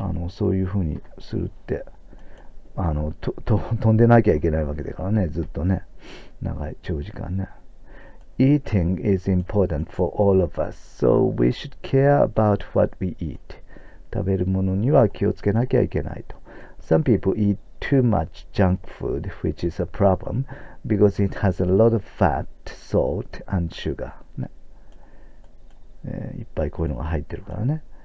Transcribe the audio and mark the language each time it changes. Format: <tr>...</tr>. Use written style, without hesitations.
<ja>そういう風にするって、飛んでなきゃいけないわけだからね、ずっとね、長い長時間ね。</ja> <en>Eating is important for all of us, so we should care about what we eat.</en> <ja>食べるものには気をつけなきゃいけないと。</ja> <en>Some people eat too much junk food, which is a problem, because it has a lot of fat, salt, and sugar.、</en> <ja>ね、いっぱいこういうのが入ってるからね。</ja>